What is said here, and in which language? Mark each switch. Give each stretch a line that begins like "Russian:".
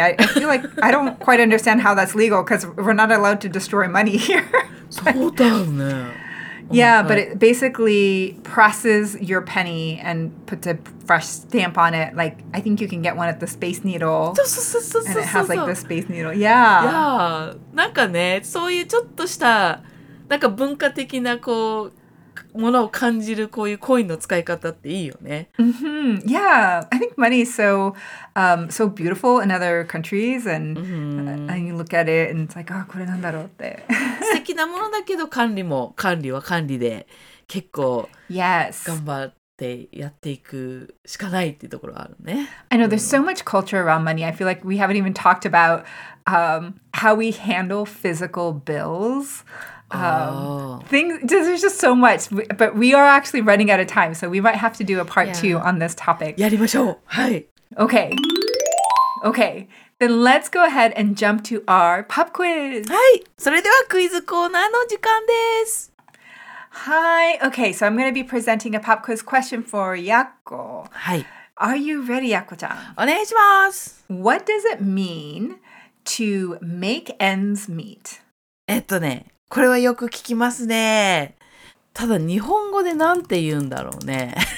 English: I feel like I don't quite understand how that's legal because we're not allowed to destroy money here.
Japanese: but, そうだね。
English: Yeah, but it basically presses your penny and puts a fresh stamp on it. Like, I think you can get one at the Space Needle.
Japanese: そう。
English: And it has like the Space Needle. Yeah. Yeah.
Japanese: なんかね、そういうちょっとしたなんか文化的なこうものを感じるこういうコインの使い方っていいよね。 Mm-hmm.
English: Yeah, I think money is so, so beautiful in other countries, and,、mm-hmm. And you look at it and it's like, ah,
Japanese: これなんだろうって。素敵なものだけど管理も管理は管理で結構、
English: yes.
Japanese: 頑張る。やっていくしかないっていうところあるね。
English: I know there's so much culture around money. I feel like we haven't even talked about、how we handle physical bills.、things, there's just so much. But we are actually running out of time, so we might have to do a part、yeah. two on this topic.
Japanese: やりましょう。はい。
English: Okay. Okay. Then let's go ahead and jump to our pop quiz.
Japanese: はい。それではクイズコーナーの時間です。
English: Hi. Okay, so I'm going to be presenting a pop quiz question for Yakko. Hi. Are you ready, Yakko-chan?
Japanese: お願いします。
English: What does it mean to make ends meet?
Japanese: これはよく聞きますね。ただ日本語でなんて言うんだろうね。